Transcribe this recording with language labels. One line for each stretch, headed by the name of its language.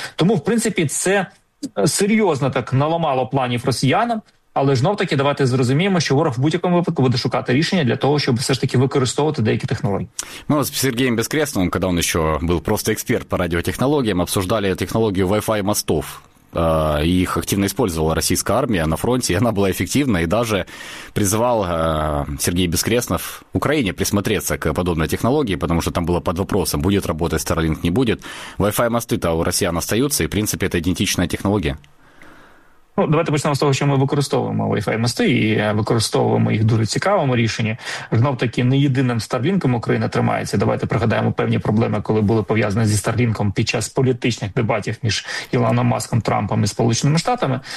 Ukrainian: Тому, в принципі, це серйозно так наламало планів росіянам, але знов-таки давайте зрозуміємо, що ворог в будь-якому випадку буде шукати рішення для того, щоб все ж таки використовувати деякі технології. Ми з Сергієм Безкресновим, коли він ще був просто експерт по радіотехнологіям, обсуждали технологію Wi-Fi мостів.
Russian: Их активно использовала российская армия на фронте, и она была эффективна, и даже призывал Сергей Бескреснов Украине присмотреться к подобной технологии, потому что там было под вопросом, будет работать Starlink, не будет. Wi-Fi мосты-то у россиян остаются, и, в принципе, это идентичная технология.
Ukrainian: Ну, давайте почнемо з того, що ми використовуємо Wi-Fi мости і використовуємо їх дуже цікавому рішенні. Знов таки, не єдиним Starlink-ом Україна тримається. Давайте пригадаємо певні проблеми, коли були пов'язані зі Starlink-ом під час політичних дебатів між Ілоном Маском, Трампом і Сполученими Штатами.